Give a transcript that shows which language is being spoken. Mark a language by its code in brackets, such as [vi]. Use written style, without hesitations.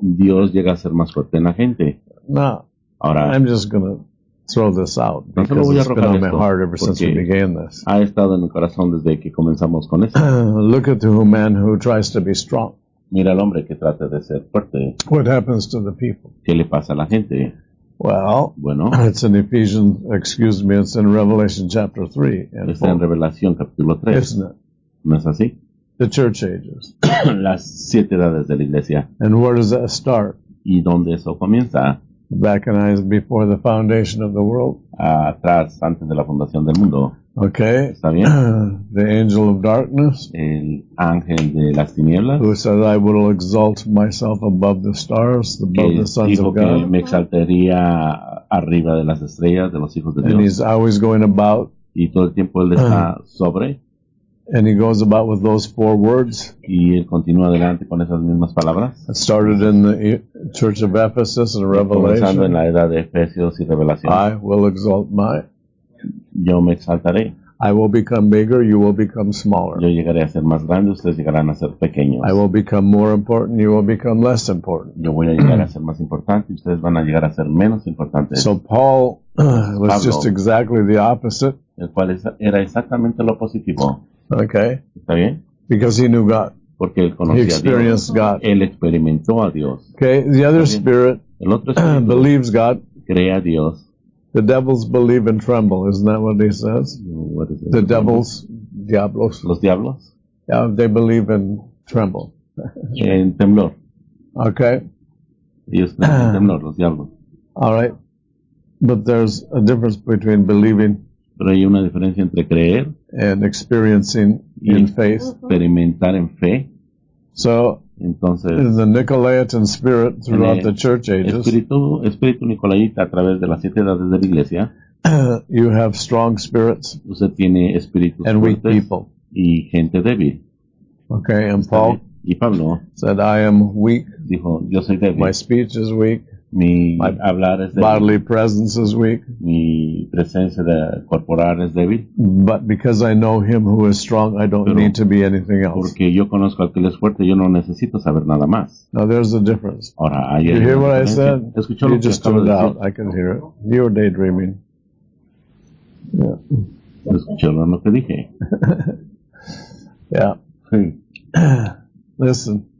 [es] Dios llega a ser más fuerte en la gente. [en] Now, [es] ahora, [en] I'm just gonna throw this out because it's been on my heart ever since we began this. Look at the man who tries to be strong. [es] Mira al hombre que trata de ser fuerte. [en] What happens to the people? [es] ¿Qué le pasa a la gente? [en] Well, [es] bueno, [en] it's in Ephesians, excuse me, it's in Revelation chapter 3. And [es] está en Revelación capítulo 3. [en] Isn't it? [es] ¿No es así? [en] The church ages. [es] Las siete edades de la iglesia. [en] And where does that start? [es] ¿Y dónde eso comienza? [en] Back in Isaiah, before the foundation of the world. [es] Atrás, antes de la fundación del mundo. [en] Okay. [es] ¿Está bien? [en] The angel of darkness. [es] El ángel de las tinieblas. [en] Who said, I will exalt myself above the stars, above the sons [es] dijo [en] of God. [es] Que me exaltaría arriba de las estrellas, de los hijos de [en] and [es] Dios. [en] And he's always going about. [es] Y todo el tiempo él está sobre. [en] And he goes about with those four words. [es] Y él continúa adelante con esas mismas palabras. [en] It started in the Church of Ephesus and Revelation. [es] Comenzando en la edad de Efesios y Revelación. [en] I will exalt my. [es] Yo me exaltaré. [en] I will become bigger, you will become smaller. [es] Yo llegaré a ser más grande, ustedes llegarán a ser pequeños. [en] I will become more important, you will become less important. [es] Yo voy a llegar a ser más importante, ustedes van a llegar a ser menos importantes. [en] So Paul was just exactly the opposite. [es] El cual era exactamente lo positivo. [en] Okay. [es] ¿Está bien? [en] Because he knew God. [es] Porque él conocía [en] he experienced [es] a Dios. [en] God. [es] Él experimentó a Dios. [en] Okay. The other spirit [es] el otro espíritu [en] believes God. [es] Cree a Dios. [en] The devils believe and tremble. Isn't that what he says? What is it? The devils, diablos. [es] Los diablos? [en] Yeah, they believe and tremble. [es] En temblor. [en] Okay. [es] Ellos temblor, los diablos. [en] All right. But there's a difference between believing. [es] Pero hay una diferencia entre creer. [en] And experiencing in faith. [es] Experimentar en fe. [en] So, [es] entonces, [en] in the Nicolaitan spirit throughout the church ages, [es] espíritu Nicolaita a través de las siete edades de la iglesia, [en] you have strong spirits, [es] usted tiene espíritus [en] and weak people, [es] y gente débil. [en] Okay, and Paul, [es] y Pablo, [en] said, I am weak, [es] dijo, yo soy débil, [en] my speech is weak, [es] mi hablar es débil, [en] bodily presence is weak, [es] mi presencia de corporal es débil, [en] but because I know him who is strong, I don't need to be anything else. [es] Porque yo conozco al que es fuerte, yo no necesito saber nada más. [en] Now there's a difference. [es] Ahora, [en] you hear what I said? [es] Escuchó [en] you just tuned out. I can hear it. You were daydreaming. [es] Yeah. Escuchó lo que dije. [en] Yeah. Listen.